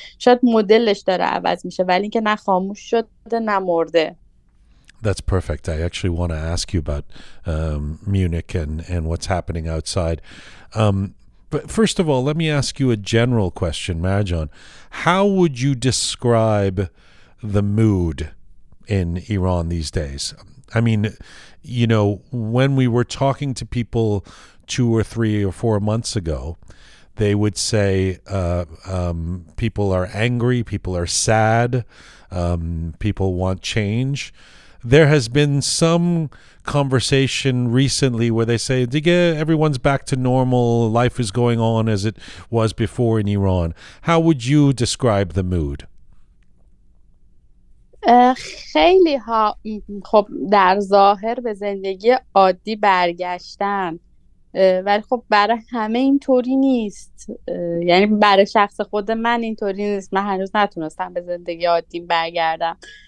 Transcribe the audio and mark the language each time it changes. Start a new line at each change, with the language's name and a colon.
Persian: شاید مدلش داره عوض میشه، ولی اینکه نه خاموش شده نه مرده.
English: That's perfect. I actually want to ask you about Munich and what's happening outside. But first of all, let me ask you a general question, Marjan. How would you describe the mood in Iran these days? I mean, you know, when we were talking to people 2 or 3 or 4 months ago, they would say people are angry, people are sad, people want change. There has been some conversation recently where they say,
Persian: "Dige,
English: everyone's back to normal, life is going on as it was before in Iran." How would you describe the mood?
Persian: خیلی ها خب در ظاهر به زندگی عادی برگشتن، ولی خب برای همه اینطوری نیست. یعنی برای شخص خود من اینطوری نیست، من هنوز نتونستم به زندگی عادی برگردم.